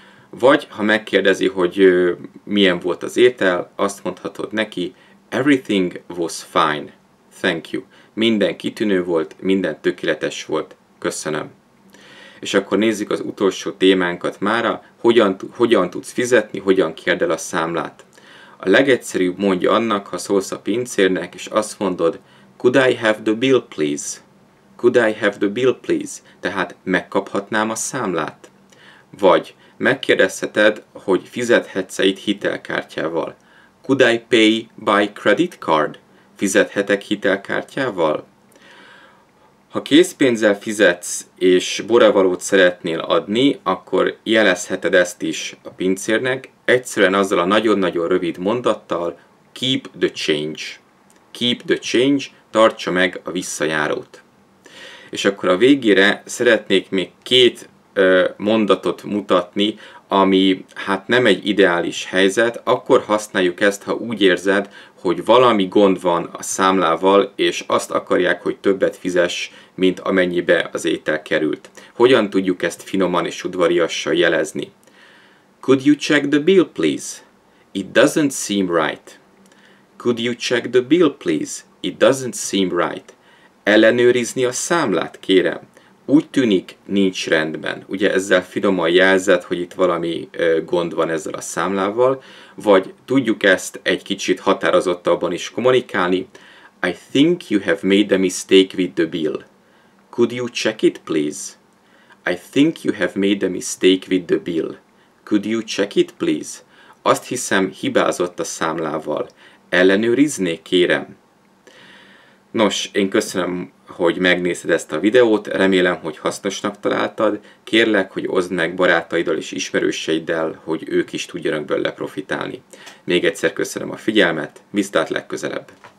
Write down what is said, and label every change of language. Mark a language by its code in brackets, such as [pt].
[hu] Vagy ha megkérdezi, hogy milyen volt az étel, azt mondhatod neki, [en] everything was fine, thank you. [hu] Minden kitűnő volt, minden tökéletes volt, köszönöm. És akkor nézzük az utolsó témánkat mára, hogyan tudsz fizetni, hogyan kérd el a számlát. A legegyszerűbb mondja annak, ha szólsz a pincérnek, és azt mondod, [en] Could I have the bill, please? Could I have the bill, please? [hu] Tehát megkaphatnám a számlát? Vagy megkérdezheted, hogy fizethetsz-e itt hitelkártyával? [en] Could I pay by credit card? [hu] Fizethetek hitelkártyával? Ha készpénzzel fizetsz és borravalót szeretnél adni, akkor jelezheted ezt is a pincérnek, egyszerűen azzal a nagyon-nagyon rövid mondattal, [en] keep the change. Keep the change, [hu] tartsa meg a visszajárót. És akkor a végére szeretnék még két mondatot mutatni, ami hát nem egy ideális helyzet, akkor használjuk ezt, ha úgy érzed, hogy valami gond van a számlával, és azt akarják, hogy többet fizess, mint amennyibe az étel került. Hogyan tudjuk ezt finoman és udvariassal jelezni? [en] Could you check the bill, please? It doesn't seem right. Could you check the bill, please? It doesn't seem right. [hu] Ellenőrizni a számlát, kérem. Úgy tűnik, nincs rendben. Ugye ezzel finoman jelzed, hogy itt valami gond van ezzel a számlával, vagy tudjuk ezt egy kicsit határozottabban is kommunikálni. [en] I think you have made a mistake with the bill. Could you check it, please? I think you have made a mistake with the bill. Could you check it, please? [hu] Azt hiszem, hibázott a számlával. Ellenőriznék, kérem. Nos, én köszönöm, hogy megnézted ezt a videót, remélem, hogy hasznosnak találtad. Kérlek, hogy oszd meg barátaiddal és ismerőseiddel, hogy ők is tudjanak belőle profitálni. Még egyszer köszönöm a figyelmet, viszlát legközelebb!